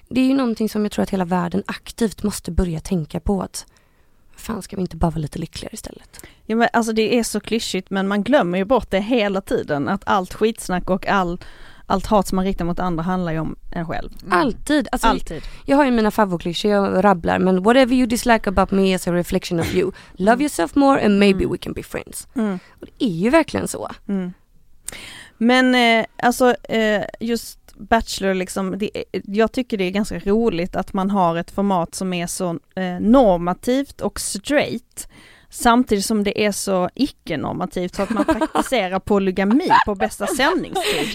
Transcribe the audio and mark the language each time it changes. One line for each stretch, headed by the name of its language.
Swedish: Det är ju någonting som jag tror att hela världen aktivt måste börja tänka på, att fan, ska vi inte bara vara lite lyckligare istället? Ja, men alltså det är så klyschigt, men man glömmer ju bort det hela tiden. Att allt skitsnack och allt hat som man riktar mot andra handlar ju om en själv. Mm. Alltid. Alltså, alltid. Jag har ju mina favoritklyschor, jag rabblar.
English: Men whatever you dislike about me is a reflection of you. Love yourself more and maybe we can be friends. Mm.
Swedish: Och det är ju verkligen så. Mm. Men just Bachelor, liksom, jag tycker det är ganska roligt att man har ett format som är så normativt och straight. Samtidigt som det är så icke-normativt så att man praktiserar polygami på bästa sändningstid.